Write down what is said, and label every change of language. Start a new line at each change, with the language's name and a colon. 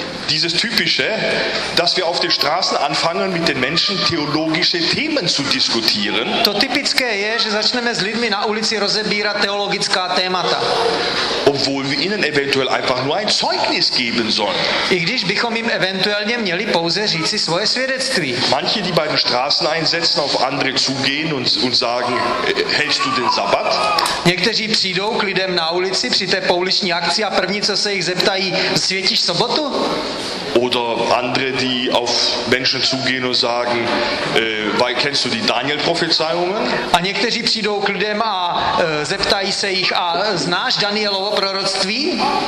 German: Dieses typische, dass wir auf den Straßen anfangen, mit den Menschen theologische Themen zu diskutieren.
Czech: To typické je, že začneme s lidmi na ulici rozebírat teologická témata.
German: Obwohl wir ihnen eventuell einfach nur ein Zeugnis geben sollen.
Czech: I když bychom jim eventuálně měli pouze říci svoje svědectví.
German: Manche, die bei den Straßen einsetzen, auf andere zugehen und sagen, hältst du den Sabbat?
Czech: Někteří přijdou k lidem na ulici při té pouliční akci a první, co se jich zeptají, světíš sobotu?
German: Oder andere, die auf Menschen zugehen und sagen, weil kennst du die Daniel-Prophezeiungen?
Czech: A někteří přijdou k lidem a zeptají se jich, a znáš Danielovo proroctví?